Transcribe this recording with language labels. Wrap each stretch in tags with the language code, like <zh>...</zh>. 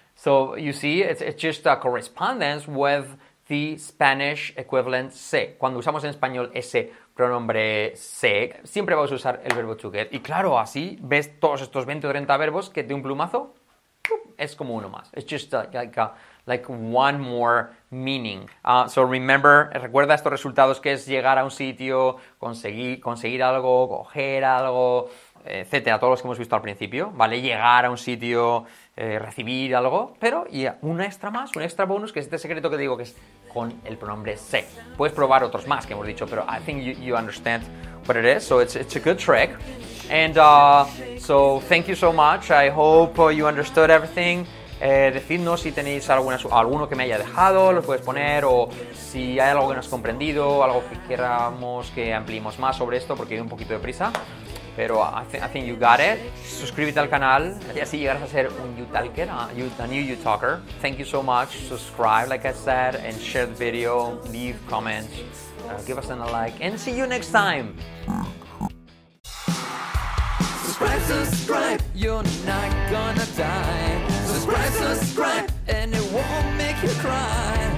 <en>So, you see, it's just a correspondence with the Spanish equivalent se.</en> <es>Cuando usamos en español ese pronombre se, siempre vamos a usar el verbo to get. Y claro, así ves todos estos 20 o 30 verbos que de un plumazo es como uno más.</es> <en>It's just like one more meaning. So remember,</en> <es>recuerda estos resultados que es llegar a un sitio, conseguir algo, coger algo, etcétera, todos los que hemos visto al principio, ¿vale? Llegar a un sitio, recibir algo, pero yeah, una extra más, un extra bonus, que es este secreto que digo, que es con el pronombre se. Puedes probar otros más que hemos dicho, pero</es> <en>I think you understand what it is, so it's a good trick. And so thank you so much. I hope you understood everything.</en> <es>Decidnos si tenéis alguno que me haya dejado, lo puedes poner, o si hay algo que no has comprendido, algo que queramos que ampliemos más sobre esto, porque hay un poquito de prisa. Pero</es> <en>I think you got it.</en> <es>Suscríbete al canal y así llegarás a ser un U-talker,</es> <en>a new U-talker. Thank you so much. Subscribe, like I said, and share the video. Leave comments. Give us a like. And see you next time. Subscribe. You're not gonna die. Subscribe. And it won't make you cry.</en>